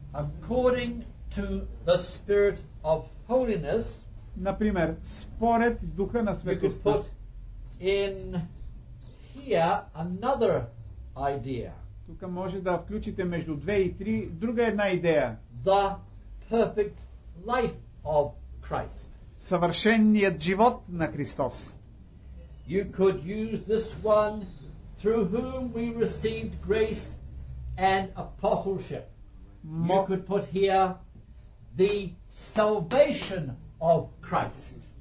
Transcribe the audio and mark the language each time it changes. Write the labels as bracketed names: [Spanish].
[English] according to the spirit of holiness, [Bulgarian] например, според духа на светост, [English] you could put in here another idea. [Bulgarian] Тук може да включите между две и три друга една идея. [English] The perfect life of Christ. [Bulgarian] Съвършеният живот на Христос. [English] You could use this one through whom we received grace and apostleship. You could put here the salvation of Christ.